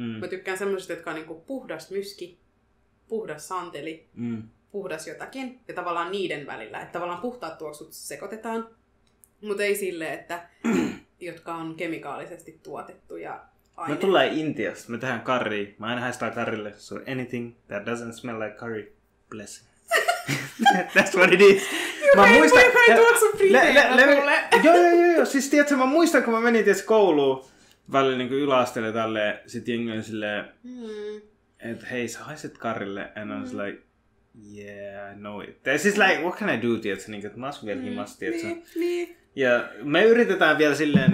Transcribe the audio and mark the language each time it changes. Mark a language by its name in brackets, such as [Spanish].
[Finnish] Mä tykkään semmoisista, jotka on niin kun puhdas myski, puhdas santeli, puhdas jotakin. Ja tavallaan niiden välillä, että tavallaan puhtaat tuoksut sekoitetaan. Mutta ei sille, että jotka on kemikaalisesti tuotettuja. Me tullaan Intiasta, me tehdään curry. Mä aina haistaa currylle, [English] so anything that doesn't smell like curry, bless. That's what it is. [Finnish] Mä muistan, tuoksu friiteillä. Joo. Siis tiedätkö, mä muistan, kun mä menin tietysti kouluun välillä niin yläasteelle tälleen, sit jengi on silleen, että hei, sä haiset currylle, [English] and I was like, yeah, I know it. This is like, what can I do, [Finnish] tiedätkö, niin kuin, että mä asun vielä himassa, tiedätkö. Ja me yritetään vielä silleen...